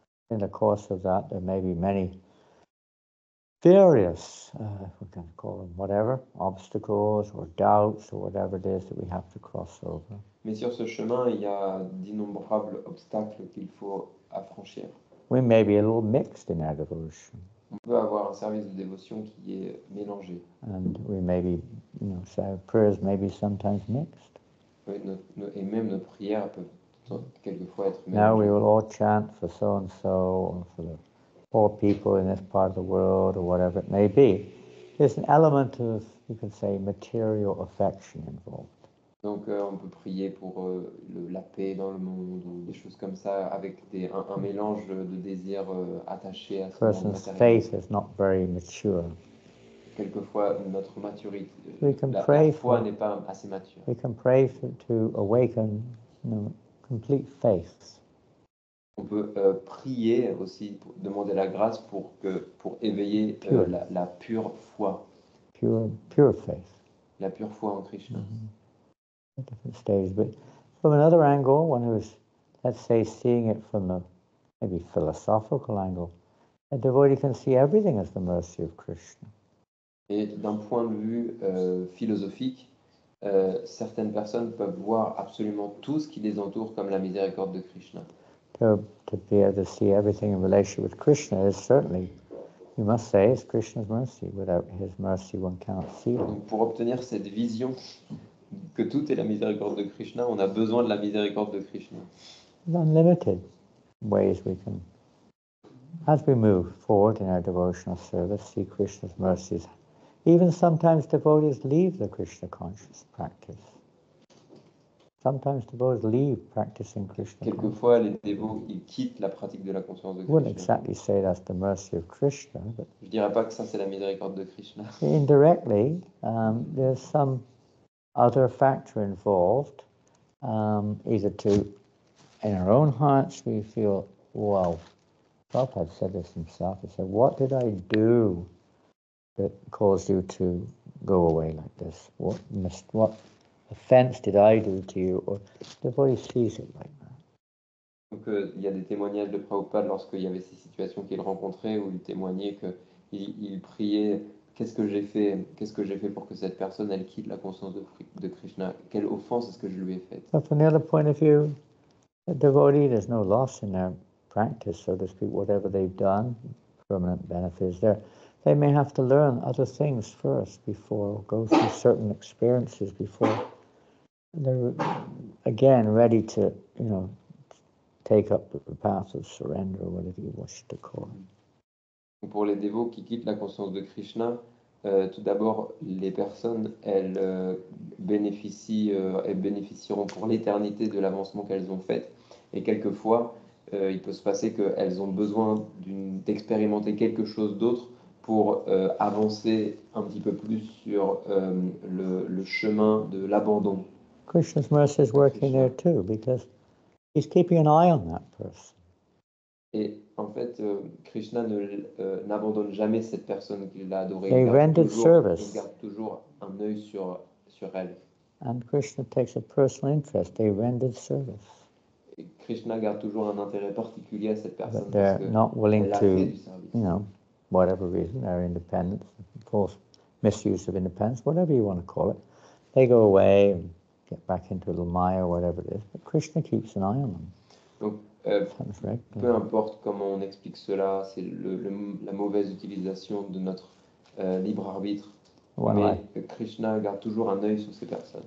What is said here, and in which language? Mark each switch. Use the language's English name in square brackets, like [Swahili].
[English] In the course of that, there may be many various, if we can call them whatever, obstacles or doubts or whatever it is that we have to cross over. [French] Mais sur ce chemin, il y a d'innombrables obstacles qu'il faut affranchir. [English] We may be a little mixed in our devotion. [French] On peut avoir un service de dévotion qui est mélangé. [English] And we may be, you know, so our prayers may be sometimes mixed. [French] Oui, et même nos prières peuvent quelquefois être mélangées. [English] Now we will all chant for so and so, or for the poor people in this part of the world, or whatever it may be. There's an element of, you could say, material affection involved. [French] Donc on peut prier pour la paix dans le monde ou des choses comme ça avec un mélange de désirs attachés à ce monde matériel. [English] Faith is not very mature. [French] Quelquefois notre maturité, la foi n'est pas assez mature. [English] We can pray to awaken, you know, complete faith. [French] On peut prier aussi pour demander la grâce pour éveiller la pure foi. [English] Pure faith. [French] La pure foi en Krishna. Mm-hmm. [English] Different stages, but from another angle, one who is, let's say, seeing it from a maybe philosophical angle, a devotee can see everything as the mercy of Krishna. [French] Et d'un point de vue philosophique, certaines personnes peuvent voir absolument tout ce qui les entoure comme la miséricorde de Krishna. [English] To be able to see everything in relation with Krishna is certainly, you must say, it's Krishna's mercy. Without his mercy, one cannot see it. [French] Donc pour obtenir cette vision, que tout est la miséricorde de Krishna, on a besoin de la miséricorde de Krishna. [English] Unlimited ways we can, as we move forward in our devotional service, see Krishna's mercies. Even sometimes devotees leave the Krishna conscious practice. Sometimes devotees leave practicing Krishna. [French] Quelquefois, les dévots, ils quittent la pratique de la conscience de Krishna. [English] Wouldn't exactly say that's the mercy of Krishna, but [French] je dirais pas que ça c'est la miséricorde de Krishna. [English] Indirectly, there's some other factor involved, either to, in our own hearts, we feel, well, Prabhupada said this himself, he said, what did I do that caused you to go away like this? What offense did I do to you? Or the body sees it like that. [French] Donc, il y a des témoignages de Prabhupada lorsqu'il y avait ces situations qu'il rencontrait, où il témoignait qu'il priait. Qu'est-ce que j'ai fait pour que cette personne elle quitte la conscience de Krishna? Quelle offense est-ce que je lui ai faite? [English] But from the other point of view, a devotee, there's no loss in their practice, so to speak, whatever they've done, permanent benefit is there. They may have to learn other things first before, go through certain experiences before they're again ready to, you know, take up the path of surrender, whatever you wish to call it. [French] Pour les dévots qui quittent la conscience de Krishna, tout d'abord, les personnes, elles bénéficieront pour l'éternité de l'avancement qu'elles ont fait. Et quelquefois, il peut se passer qu'elles ont besoin d'expérimenter quelque chose d'autre pour avancer un petit peu plus sur le chemin de l'abandon. [English] Krishna's mercy is working there too, because he's keeping an eye on that person. [French] Et en fait, Krishna n'abandonne jamais cette personne qu'il a adorée. Il garde toujours un œil sur elle. [English] And Krishna takes a personal interest. They rendered service. [French] Et Krishna garde toujours un intérêt particulier à cette personne. [English] But they're not willing to, you know, whatever reason, their independence, false misuse of independence, whatever you want to call it. They go away and get back into a little maya or whatever it is. But Krishna keeps an eye on them. [French] Donc, peu importe comment on explique cela, c'est la mauvaise utilisation de notre libre arbitre. [English] One [French] mais Krishna garde toujours un œil sur ces personnes.